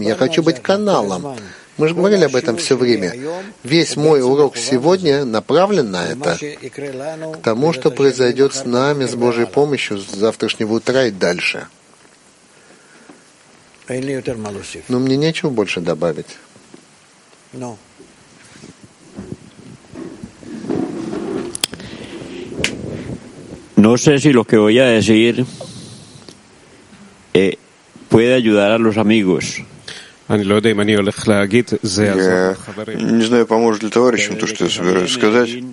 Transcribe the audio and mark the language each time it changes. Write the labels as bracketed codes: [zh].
[ru] Я хочу быть каналом. Мы же говорили об этом все время. Весь мой урок сегодня направлен на это, к тому, что произойдет с нами, с Божьей помощью, с завтрашнего утра и дальше. Но мне нечего больше добавить. [es] No sé si lo que voy a decir puede ayudar a los amigos. [ru] Не знаю, поможет ли товарищам то, что я собираюсь сказать.